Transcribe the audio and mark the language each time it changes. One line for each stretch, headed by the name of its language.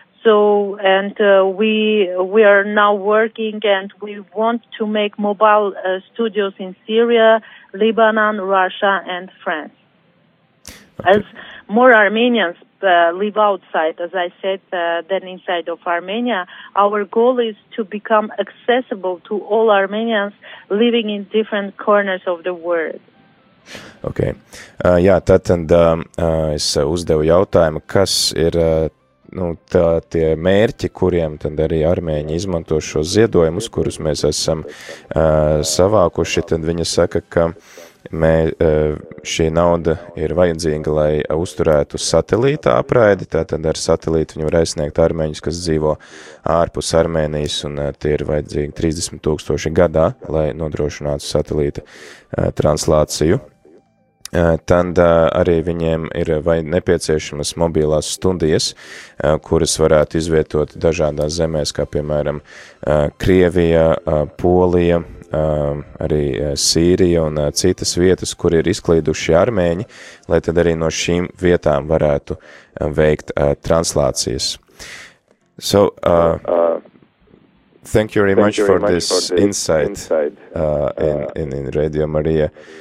English: So, and we are now working, and we want to make mobile studios in Syria, Lebanon, Russia, and France. Okay. As more Armenians live outside, as I said, than inside of Armenia, our goal is to become accessible to all Armenians living in different corners of the world. Okay.
Latvian: Jā, tātad es uzdevu jautājumu, kas ir tie mērķi, kuriem tad arī armēņi izmanto šo ziedojumus, kurus mēs esam savākuši, tad viņa saka, ka šī nauda ir vajadzīga, lai uzturētu satelīta apraidi, tātad ar satelītu viņi var aizsniegt armēņus, kas dzīvo ārpus Armēnijas, un tie ir vajadzīgi 30 tūkstoši gadā, lai nodrošinātu satelīta translāciju. Tad arī viņiem ir nepieciešamas mobilās studijas, kuras varētu izvietot dažādās zemēs, kā piemēram Krievija, Polija, arī Sīrija un citas vietas, kur ir izklīduši armēņi, lai tad arī no šīm vietām varētu veikt translācijas.
English: So, thank you very much for this insight in Radio Maria.